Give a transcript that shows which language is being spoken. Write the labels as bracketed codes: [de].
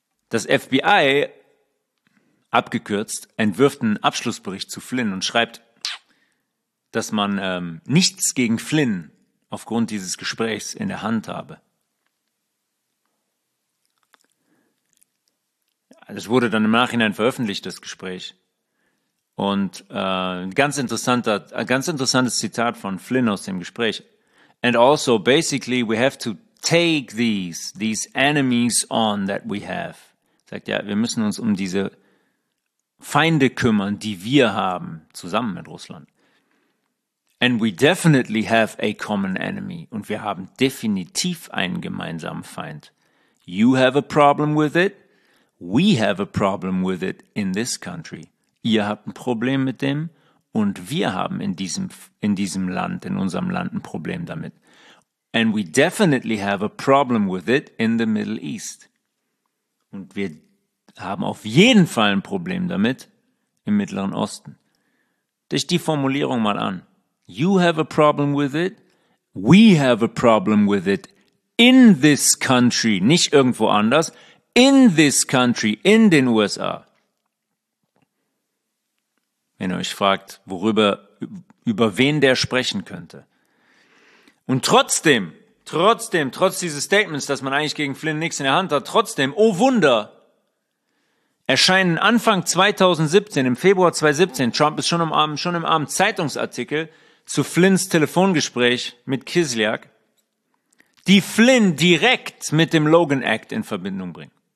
[de] Das FBI, abgekürzt, entwirft einen Abschlussbericht zu Flynn und schreibt, dass man nichts gegen Flynn aufgrund dieses Gesprächs in der Hand habe. Das wurde dann im Nachhinein veröffentlicht, das Gespräch. Und ein ganz interessantes Zitat von Flynn aus dem Gespräch. [en] And also, basically, we have to take these enemies on that we have. [de] Sagt, ja, wir müssen uns um diese Feinde kümmern, die wir haben, zusammen mit Russland. [en] And we definitely have a common enemy. [de] Und wir haben definitiv einen gemeinsamen Feind. [en] You have a problem with it. We have a problem with it in this country. [de] Ihr habt ein Problem mit dem und wir haben in diesem Land, in unserem Land ein Problem damit. [en] And we definitely have a problem with it in the Middle East. [de] Und wir haben auf jeden Fall ein Problem damit im Mittleren Osten. Dich die Formulierung mal an. [en] You have a problem with it. We have a problem with it in this country, [de] nicht irgendwo anders. [en] In this country, [de] in den USA. Wenn ihr euch fragt, über wen der sprechen könnte. Und trotzdem, trotz dieses Statements, dass man eigentlich gegen Flynn nichts in der Hand hat, trotzdem, oh Wunder, erscheinen Anfang 2017, im Februar 2017, Trump ist schon im Abend, Zeitungsartikel zu Flynns Telefongespräch mit Kislyak, die Flynn direkt mit dem Logan Act in Verbindung bringen.